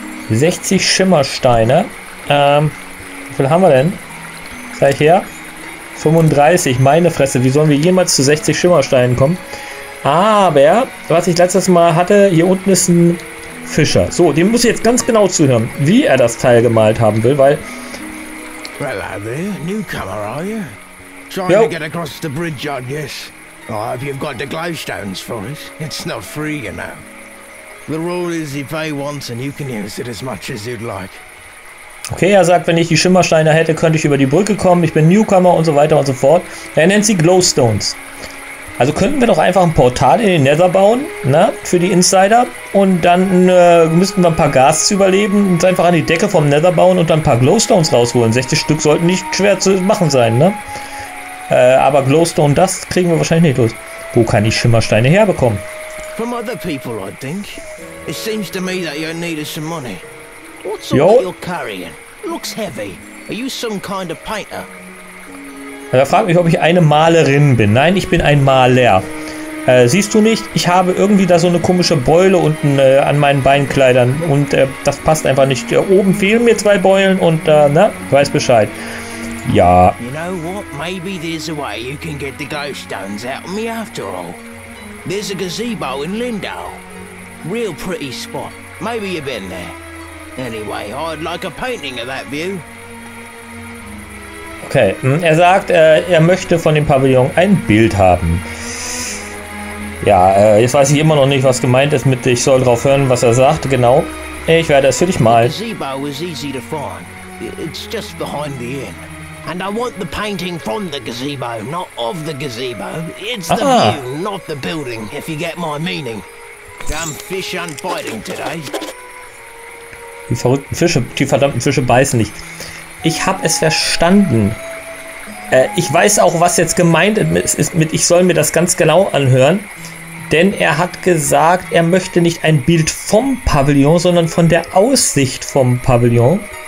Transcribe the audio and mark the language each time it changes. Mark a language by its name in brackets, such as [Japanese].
[German] 60 Schimmersteine. Wie viel haben wir denn? gleich her. 35, meine Fresse, wie sollen wir jemals zu 60 Schimmersteinen kommen? Aber, was ich letztes Mal hatte, hier unten ist ein Fischer. So, dem muss ich jetzt ganz genau zuhören, wie er das Teil gemalt haben will, weil... [English] Hello there, newcomer, are you? Trying to get across the bridge, I guess. I hope you've got the glowstones for us. It's not free, you know. The rule is, if they want, and you can use it as much as you'd like. [German] Okay, er sagt, wenn ich die Schimmersteine hätte, könnte ich über die Brücke kommen. Ich bin Newcomer und so weiter und so fort. Er nennt sie Glowstones. Also könnten wir doch einfach ein Portal in den Nether bauen, ne, für die Insider. Und dann müssten wir ein paar Ghasts überleben und einfach an die Decke vom Nether bauen und dann ein paar Glowstones rausholen. 60 Stück sollten nicht schwer zu machen sein, ne? Aber Glowstone, das kriegen wir wahrscheinlich nicht los. Wo kann ich Schimmersteine herbekommen? [English] From other people, I think. It seems to me that you're in need of some money. What sort of you're carrying? Looks heavy. Are you some kind of painter? [German] Er fragt mich, ob ich eine Malerin bin. Nein, ich bin ein Maler. Siehst du nicht? Ich habe irgendwie da so eine komische Beule unten an meinen Beinkleidern. Und das passt einfach nicht. Oben fehlen mir zwei Beulen und, ne? Weiß Bescheid. Ja. [English] You know what? Maybe there's a way you can get the glowstones out of me after all. There's a gazebo in Lindau. Real pretty spot. Maybe you've been there. Anyway, I'd like a painting of that view. [German] Okay, er sagt, er möchte von dem Pavillon ein Bild haben. Ja, jetzt weiß ich immer noch nicht, was gemeint ist mit, ich soll drauf hören, was er sagt, genau. Ich werde es für dich malen. [English] The gazebo is easy to find. It's just behind the inn. And I want the painting from the gazebo, not of the gazebo. It's the view, not the building, if you get my meaning. Damn fish aren't biting today. [German] Die verrückten Fische, die verdammten Fische beißen nicht. Ich habe es verstanden. Ich weiß auch, was jetzt gemeint ist mit, ich soll mir das ganz genau anhören. Denn er hat gesagt, er möchte nicht ein Bild vom Pavillon, sondern von der Aussicht vom Pavillon.